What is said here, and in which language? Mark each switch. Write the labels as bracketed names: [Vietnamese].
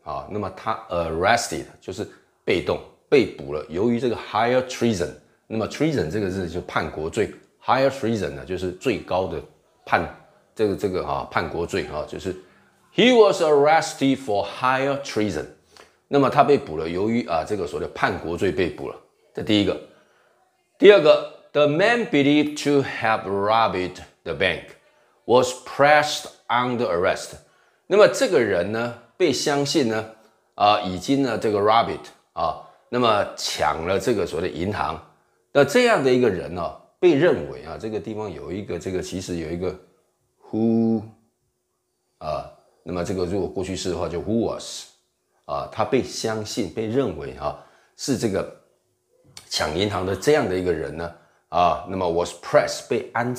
[Chinese] 那么他 arrested 就是被动被捕了，由于这个 high treason， 那么 treason 这个字就是叛国罪， high treason 呢就是最高的叛叛国罪就是 [English] He was arrested for high treason。 [Chinese] 那么他被捕了，由于这个所谓的叛国罪被捕了。这第一个。第二个， [English] The man believed to have robbed the bank was pressed under arrest。 [Chinese] 那么这个人呢被相信呢已经呢这个 robbed 那么抢了这个所谓的银行。那这样的一个人呢被认为这个地方有一个这个其实有一个 who 那么这个如果过去式的话就 who was他被相信被认为是这个抢银行的这样的一个人呢那么 was pressed 被